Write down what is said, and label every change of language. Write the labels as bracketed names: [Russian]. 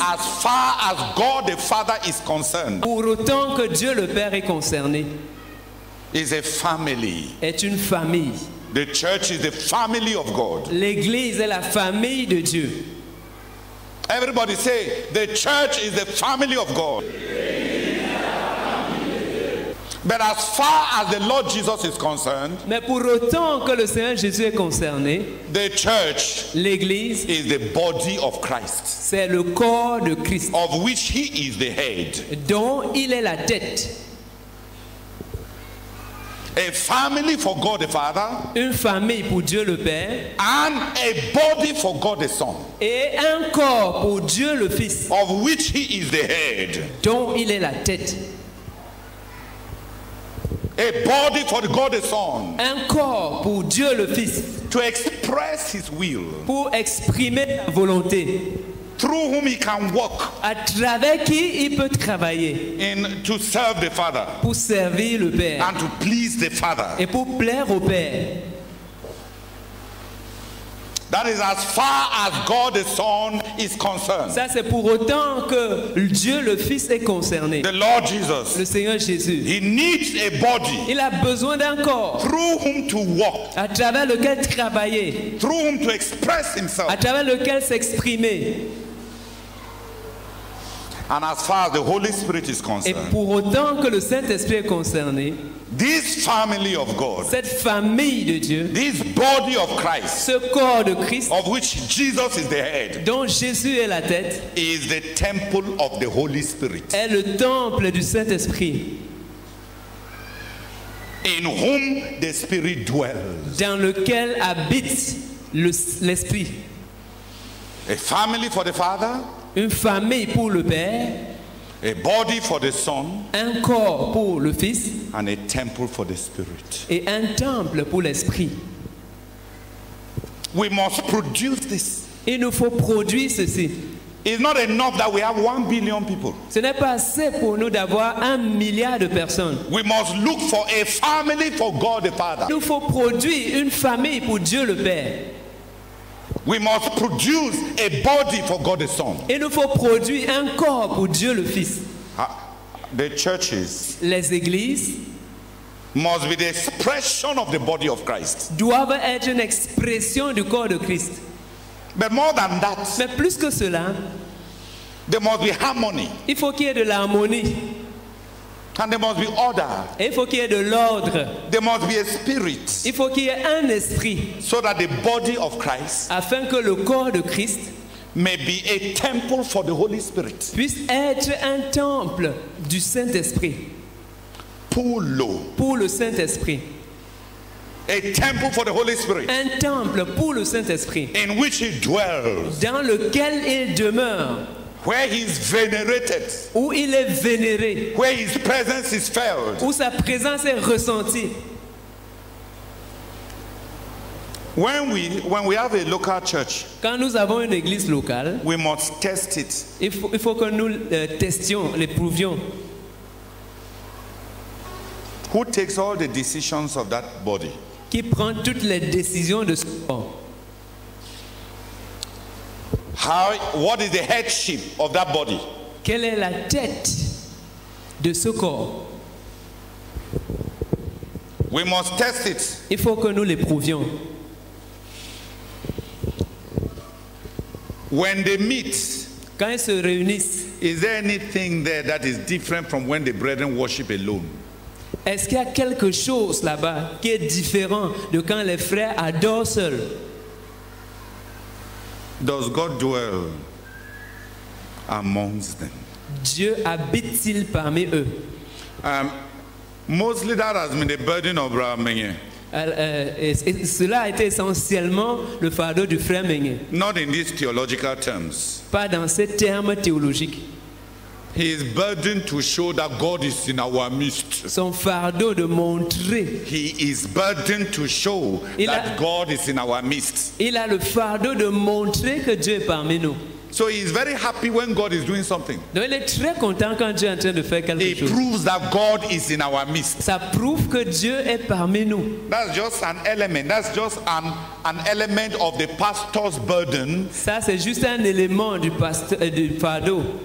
[English] As far as God the Father is concerned. [French] Pour autant que Dieu le Père est concerné. [English] Is a family. [French] Est une famille. [English] The church is the family of God. [French] L'église est la famille de Dieu. [English] Everybody say, the church is the family of God. But as far as the Lord Jesus is concerned, [French] mais pour autant que le Seigneur Jésus est concerné, [English] the church, [French] l'église, [English] is the body of Christ. [French] C'est le corps de Christ. [English] Of which he is the head. [French] Dont il est la tête. [English] A family for God the Father. [French] Une famille pour Dieu le Père. [English] And a body for God the Son. [French] Et un corps pour Dieu le Fils. [English] Of which he is the head. [French] Dont il est la tête. [English] A body for God the Son. [French] Un corps pour Dieu le Fils. [English] To express his will. [French] Pour exprimer sa volonté. [English] Through whom he can work. [French] À travers qui il peut travailler. [English] And to serve the Father. [French] Pour servir le Père. [English] And to please the Father. [French] Et pour plaire au Père. [English] That is as far as God the Son is concerned. [French] Ça c'est pour autant que Dieu le Fils est concerné. [English] The Lord Jesus. [French] Le Seigneur Jésus. [English] He needs a body. [French] Il a besoin d'un corps. [English] Through whom to walk. [French] À travers lequel travailler. [English] Through whom to express himself. [French] À travers lequel s'exprimer. [English] And as far as the Holy Spirit is concerned. [French] Et pour autant que le Saint-Esprit est concerné. [English] This family of God, [French] cette famille de Dieu, [English] this body of Christ, [French] ce corps de Christ, [English] of which Jesus is the head, [French] dont Jésus est la tête, [English] is the temple of the Holy Spirit, [French] est le temple du Saint-Esprit, [English] in whom the Spirit dwells, [French] dans lequel habite l'Esprit. [English] A family for the Father, [French] une famille pour le Père. [English] A body for the Son, [French] un corps pour le Fils, [English] and a temple for the Spirit. [French] Et un temple pour l'Esprit. [English] We must produce this. [French] Il nous faut produire ceci. [English] It's not enough that we have 1 billion people. [French] Ce n'est pas assez pour nous d'avoir 1 milliard de personnes. [English] We must look for a family for God the Father. [French] Il nous faut produire une famille pour Dieu le Père. [English] We must produce a body for God the Son. [French] Il nous faut produire un corps pour Dieu le Fils. [English] The churches, [French] les églises, [English] must be the expression of the body of Christ. [French] Doivent être une expression du corps de Christ. [English] But more than that, [French] mais plus que cela, [English] there must be harmony. [French] Il faut qu'il y ait de l'harmonie. [English] And there must be order. [French] Il faut qu'il y ait de l'ordre. [English] There must be a spirit. [French] Il faut qu'il y ait un esprit. [English] So that the body of Christ, [French] afin que le corps de Christ, [English] may be a temple for the Holy Spirit, [French] puisse être un temple du Saint-Esprit. Pour le Saint-Esprit. [English] A temple for the Holy Spirit, [French] un temple pour le Saint-Esprit. [English] In which he dwells, [French] dans lequel il demeure. [English] Where he is venerated, [French] où il est vénéré. [English] Where his presence is felt, [French] où sa présence est ressentie. [English] When we have a local church, [French] quand nous avons une église locale, [English] we must test it. [French] Il faut que nous testions, l'éprouvions. [English] Who takes all the decisions of that body? [French] Qui prend toutes les décisions de ce corps? [English] How, what is the headship of that body? [French] Quelle est la tête de ce corps? [English] We must test it. [French] Il faut que nous l'éprouvions. [English] When they meet, [French] quand ils se réunissent, [English] is there anything there that is different from when the brethren worship alone? [French] Est-ce qu'il y a quelque chose là-bas qui est différent de quand les frères adorent seuls? [English] Does God dwell amongst them? [French] Dieu habite-t-il parmi eux? [English] Mostly that has been the burden of Brother Menge. [French] Cela a été essentiellement le fardeau du frère Menge. [English] Not in these theological terms. [French] Pas dans ces termes théologiques. [English] He is burdened to show that God is in our midst. [French] Son fardeau de montrer. [English] He is burdened to show that God is in our midst. [French] Il a le fardeau de montrer que Dieu est parmi nous. [English] So he is very happy when God is doing something. [French] Donc il est très content quand Dieu est en train de faire quelque chose. [English] He proves that God is in our midst. [French] Ça prouve que Dieu est parmi nous. [English] That's just an element. That's just an element of the pastor's burden. [French] Ça c'est juste un élément du pasteur du fardeau.